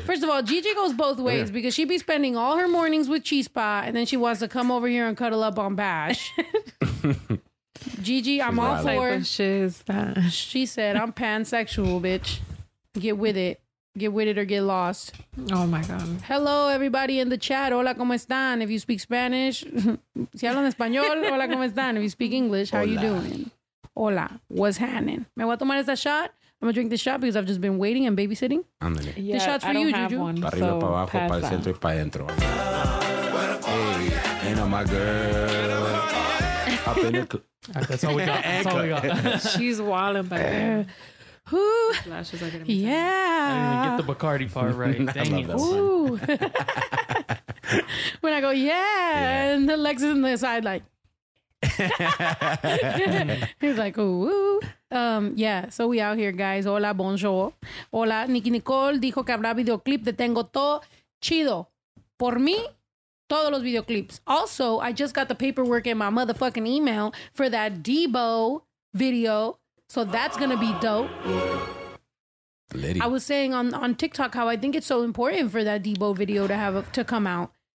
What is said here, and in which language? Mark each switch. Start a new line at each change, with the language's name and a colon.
English: First of all, Gigi goes both ways because she'd be spending all her mornings with Chispa, and then she wants to come over here and cuddle up on Bash. Gigi, I'm all for it. She said, I'm pansexual, bitch. Get with it. Get with it or get lost. Oh, my God. Hello, everybody in the chat.
Spanish: Hola, ¿cómo están?
English: If you speak Spanish.
Spanish: Si hablan español, hola, ¿cómo están?
English: If you speak English, how are you doing? Hola, what's happening?
Spanish: Me voy a tomar esta shot.
English: I'm going to drink this shot because I've just been waiting and babysitting. Andale. This shot's for you, Juju.
Spanish: Para arriba, para abajo, para el centro y para adentro.
English: Hey, you know my girl. Up in the club. That's all we got. She's wilding back there. Who? Yeah. I didn't even get the Bacardi part right. Dang it. Ooh. When I go, and the legs is in the side, like. He's like, ooh. So we out here, guys. Hola, bonjour.
Spanish: Hola, Nicki Nicole dijo que habrá videoclip de Tengo Todo. Chido. Por mí. Todos los videoclips.
English: Also, I just got the paperwork in my motherfucking email for that Debo video. So that's going to be dope. Lady. I was saying on TikTok how I think it's so important for that Debo video to have to come out.